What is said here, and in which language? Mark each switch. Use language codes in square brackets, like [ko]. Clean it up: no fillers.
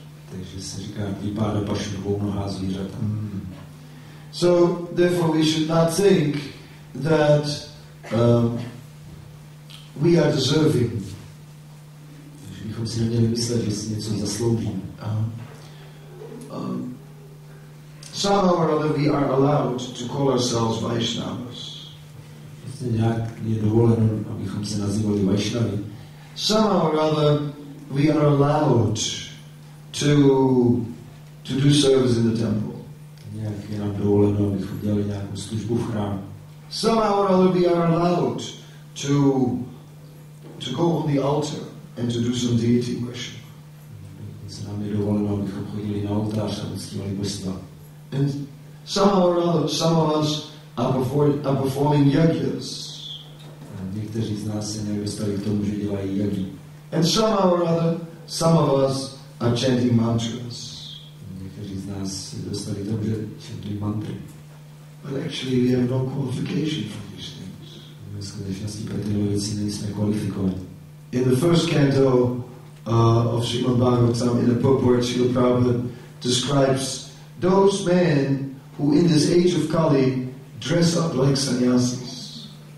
[cs] Takže se říká dvipada pasu, dvounohá zvířata. [en] So, therefore, we should not think that we are deserving. [cs] Takže bychom si neměli myslet, že si něco zasloužíme. [en] Somehow or other, we are allowed to call ourselves Vaishnavas. [cs] vlastně nějak je dovoleno, abychom se nazývali Vaishnavi. [en] Somehow or other, we are allowed to do service in the temple. [cs] Nějak je nám dovoleno, abychom dělali nějakou službu v chrámu. [en] Somehow or other, we are allowed to go on the altar and to do some deity worship. [cs] Se nám je dovoleno, abychom chodili na oltář a uctívali božstva. [en] And somehow or other, some of us are performing yagyas. [cs] Někteří z nás se nedostali k tomu, že dělají yagy. [en] And somehow or other, some of us are chanting mantras. [cs] Někteří z nás se dostali k tomu, že chantují mantry. [en] But actually, we have no qualification for these things. [cs] My skutečnosti pro tyhle věci nejsme kvalifikovaní. [en] In the first canto of Srimad-Bhagavatam, in the purport, Srila Prabhupada describes those men who in this age of Kali dress up like sannyasis.